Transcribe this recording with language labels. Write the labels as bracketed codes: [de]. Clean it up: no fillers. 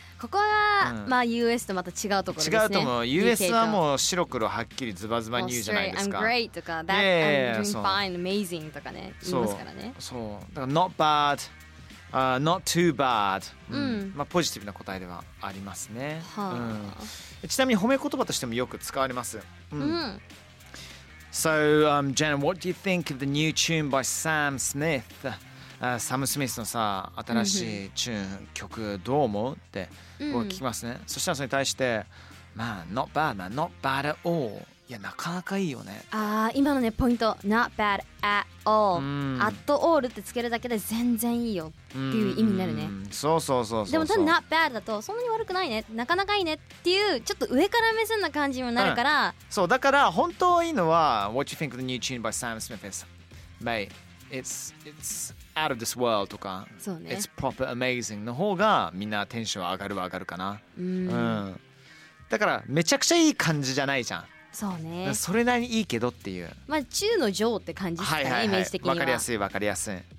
[ja] ここは、まあ US とまた違うところですね。違うと思う。 US はもう白黒はっきりズバズバに言うじゃないですか。 [en] I'm great [ja] とか、 [en] that I'm doing fine, amazing [ja] とかね、言いますからね。そう。だから [en] not bad, not too bad。 [ja] まあポジティブな答えではありますね。はあ。ちなみに褒め言葉としてもよく使われます。 [en] So, Jenna, what do you think of the new tune by Sam Smith? [ja] サム・スミスのさ新しいチューン曲どう思うって僕聞きますね。そしたらそれに対して、まあ [en] not bad man, not bad at all、 [ja] いやなかなかいいよね。あ、今のねポイント、 [en] not bad at all、 [ja] at all ってつけるだけで全然いいよっていう意味になるね。そうでも多分 [en] not bad [ja] だとそんなに悪くないね、なかなかいいねっていうちょっと上から目線な感じもなるから、そうだから本当いいのは [en] What you think of the new tune by Sam Smith is mateIt's out of this world [ja] とか、そうね、 [en] It's proper amazing [ja] の方がみんなテンション上がるは上がるかな。だからめちゃくちゃいい感じじゃないじゃん。そうね。それなりにいいけどっていう。まあ中の上って感じですかね、はいはいはい、イメージ的には。わかりやすい、わかりやすい。